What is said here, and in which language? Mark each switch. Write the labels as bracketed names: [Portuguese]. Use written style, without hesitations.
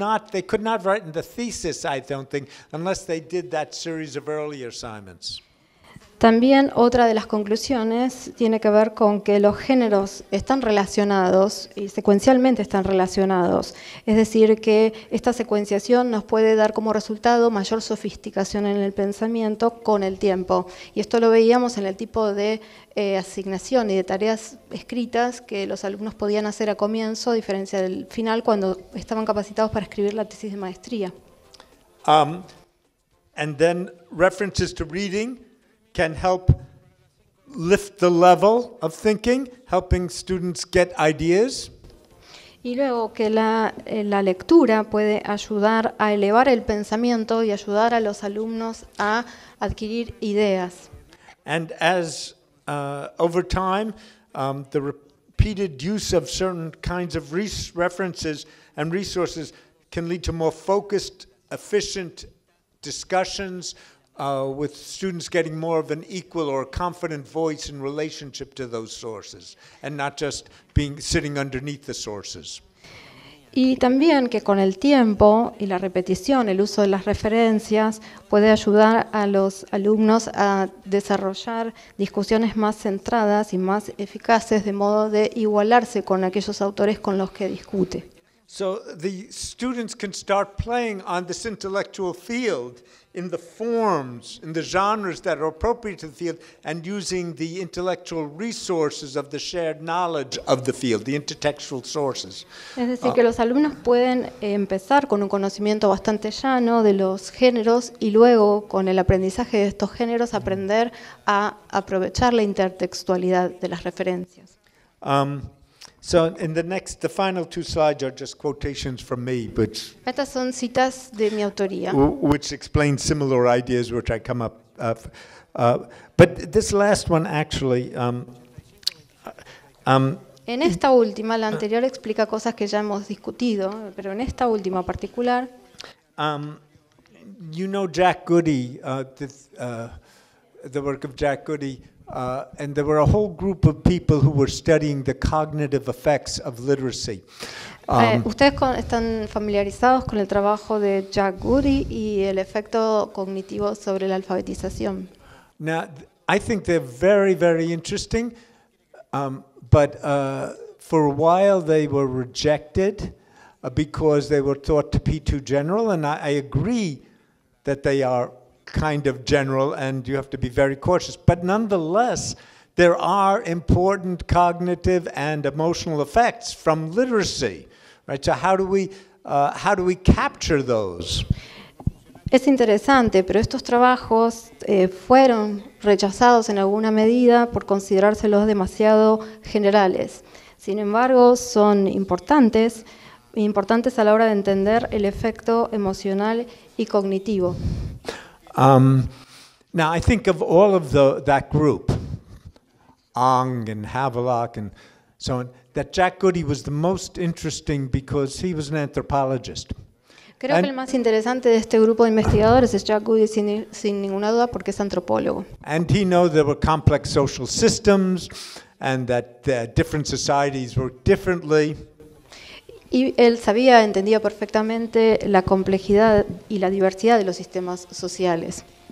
[English] They could not write in the thesis, I don't think, unless they did that series of early assignments. [Spanish] También otra de las conclusiones tiene que ver con que los géneros están relacionados y secuencialmente están relacionados. Es decir, que esta secuenciación nos puede dar como resultado mayor sofisticación en el pensamiento con el tiempo. Y esto lo veíamos en el tipo de asignación y de tareas escritas que los alumnos podían hacer a comienzo, a diferencia del final, cuando estaban capacitados para escribir la tesis de maestría. [English] And then references to reading can help lift the level of thinking, helping students get ideas. [Spanish] Y luego que la lectura puede ayudar a elevar el pensamiento y ayudar a los alumnos a adquirir ideas. [English] And as over time, the repeated use of certain kinds of references and resources can lead to more focused, efficient discussions with students getting more of an equal or confident voice in relationship to those sources and not just being sitting underneath the sources. [Spanish] Y también que con el tiempo y la repetición, el uso de las referencias puede ayudar a los alumnos a desarrollar discusiones más centradas y más eficaces de modo de igualarse con aquellos autores con los que discute. [English] So the students can start playing on this intellectual field in the forms, in the genres that are appropriate to the field, and using the intellectual resources of the shared knowledge of the field, the intertextual sources. [Spanish] Es decir, que los alumnos pueden empezar con un conocimiento bastante llano de los géneros y luego, con el aprendizaje de estos géneros, aprender a aprovechar la intertextualidad de las referencias. [English] So in the final two slides are just quotations from me, which [Spanish] estas son citas de mi autoría, [English] which explain similar ideas which I come up with. But this last one actually [Spanish] en esta última, la anterior explica cosas que ya hemos discutido, pero en esta última particular [English] you know Jack Goody, the work of Jack Goody. And there were a whole group of people who were studying the cognitive effects of literacy. [Spanish] Ustedes están familiarizados con el trabajo de Jack Goody y el efecto cognitivo sobre la alfabetización. [English] Now, I think they're very, very interesting, but for a while they were rejected because they were thought to be too general, and I agree that they are kind of general and you have to be very cautious, but nonetheless there are important cognitive and emotional effects from literacy, right? So how do we capture those? [Spanish] Es interesante, pero estos trabajos fueron rechazados en alguna medida por considerárselos demasiado generales. Sin embargo, son importantes a la hora de entender el efecto emocional y cognitivo. [English] Now I think of all of that group, Ong and Havelock and so on, that Jack Goody was the most interesting because he was an anthropologist. [Spanish] Creo que el más interesante de este grupo de investigadores es Jack Goody sin ninguna duda porque es antropólogo. [English] And he knew there were complex social systems and that different societies worked differently. [Spanish] Y él sabía, entendía perfectamente la complejidad y la diversidad de los sistemas sociales.